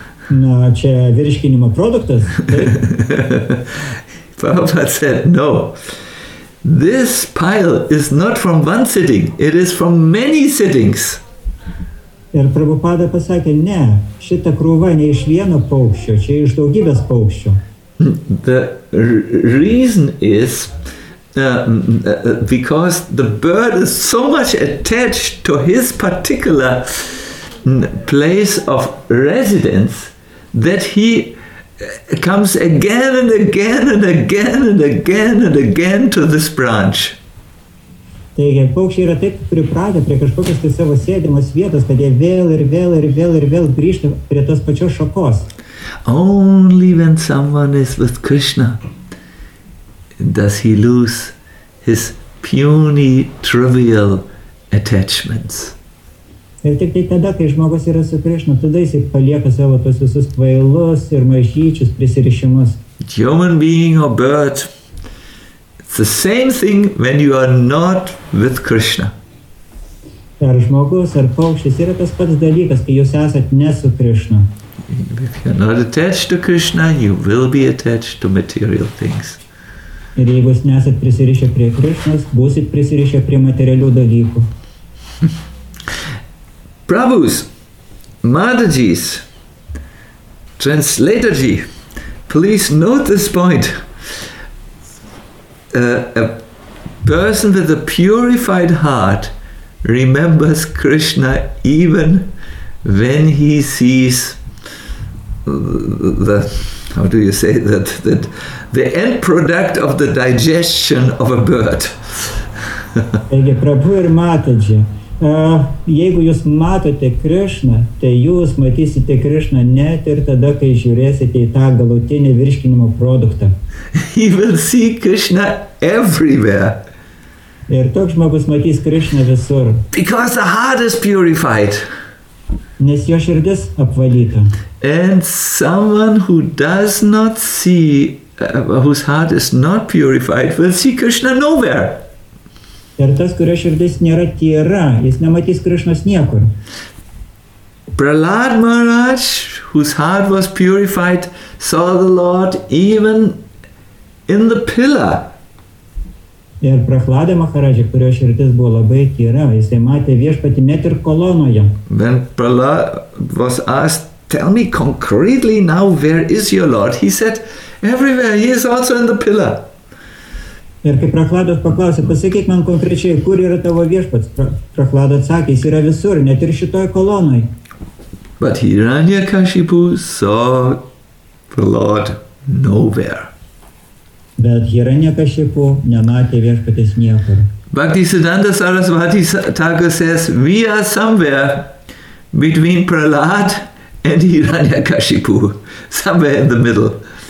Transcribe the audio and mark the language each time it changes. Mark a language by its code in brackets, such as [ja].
[lt] Na, čia virškinimo produktas. [en] Prabhupada said, no. This pile is not from one sitting, it is from many sittings. [lt] Ir Prabhupada pasakė, ne, šita krūva ne iš vieno paukščio, čia iš daugybės paukščio. [en] The reason is because the bird is so much attached to his particular place of residence that he comes again and again and again and again and again to this branch. [lt] Taigi, paukščiai yra taip pripratę prie kažkokios tai savo sėdimos vietos, kad jie vėl ir vėl ir vėl ir vėl grįžta prie tos pačios šakos. [en] Only when someone is with Krishna does he lose his puny trivial attachments. [lt] Ir tik tai tada, kai žmogus yra su Krishna, tada jis palieka savo tos visus kvailus ir mažyčius prisirišimus. [en] Human being or bird, it's the same thing when you are not with Krishna. [lt] Ar žmogus, ar paukštis yra tas pats dalykas, kai jūs esat ne su Krishna. [en] If you're not attached to Krishna, you will be attached to material things. [lt] Ir jeigu jūs nesat prisirišę prie Krishnas, būsit prisirišę prie materialių dalykų. [en] Prabhus, Madhajis, Translatorji, please note this point. A person with a purified heart remembers Krishna even when he sees the, how do you say that, that the end product of the digestion of a bird. [lt] Taigi, Prabhu ir Madhaji. Jeigu jūs matote Krishna, tai jūs matysite Krishna net ir tada, kai žiūrėsite į tą galutinį virškinimo produktą. [en] He will see Krishna everywhere. [lt] Ir toks žmogus matys Krishna visur. [en] Because the heart is purified. [lt] Nes jo širdis apvalyta. [en] And someone who does not see, whose heart is not purified, will see Krishna nowhere. [lt] Ir tas, kurio širdis nėra tyra, jis nematys Krishnos niekur. [en] Prahlad Maharaj, whose heart was purified, saw the Lord even in the pillar. [lt] Ir Prahlada Maharaj, kurio širdis buvo labai tyra, jis matė viešpatį net ir kolonoje. [en] When Prahlad was asked, tell me concretely now where is your Lord? He said, everywhere, he is also in the pillar. [lt] Ir kai Prahladas paklausė, pasakyk man konkrečiai, kur yra tavo viešpats? Prahlada atsakė, jis yra visur, net ir šitoj kolonoj. [en] But Hiranyakashipu saw the Lord nowhere. [lt] Bet Hiranyakashipu nematė viešpatės niekur. [en] Bhaktisiddhanta Sarasvati Thakur says, we are somewhere between Prahlad and Hiranyakashipu, somewhere in the middle.